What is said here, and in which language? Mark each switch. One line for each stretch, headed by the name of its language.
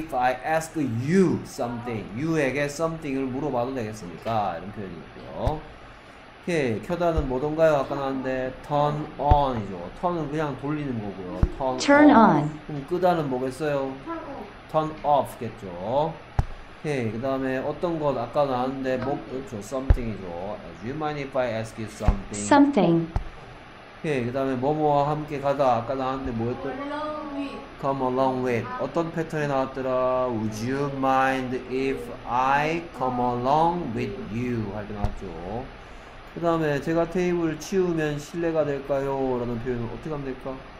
English: Would you mind if I ask you something?
Korean: You에게 something을 물어봐도 되겠습니까? 이런 표현이고요. 오케이, 켜다는 뭐던가요? 아까 나왔는데 turn on이죠. turn은 그냥 돌리는 거고요.
English: turn on.
Korean: 그럼 끄다는 뭐겠어요?
English: turn
Korean: off겠죠. 오케이, 그 다음에 어떤 것 아까 나왔는데 뭐죠? something이죠.
English: Do you mind if I ask you something? something.
Korean: 오케이, 그 다음에 뭐뭐와 함께 가다 아까 나왔는데 뭐였더라?
English: Come along with. Come along with.
Korean: 어떤 패턴이 나왔더라?
English: Would you mind if I come along with you?
Korean: 할 때 나왔죠. 그 다음에 제가 테이블 치우면 실례가 될까요? 라는 표현은 어떻게 하면 될까?